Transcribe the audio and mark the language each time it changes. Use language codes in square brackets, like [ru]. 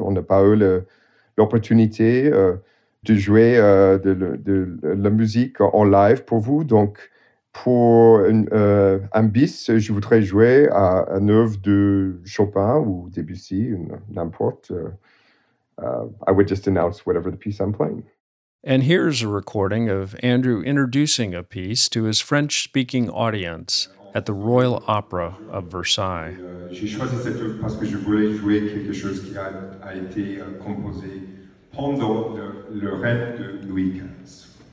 [fr] On n'a pas eu l'opportunité de jouer de la musique en live pour vous, donc... Pour un bis, je voudrais jouer à une œuvre de Chopin ou Debussy, n'importe. [en] I would just announce whatever the piece I'm playing. And here's a recording of Andrew introducing a piece to his French-speaking audience at the Royal Opera of Versailles. [fr] J'ai choisi cette œuvre parce que je voulais jouer quelque chose qui a été composé pendant le règne de Louis XV.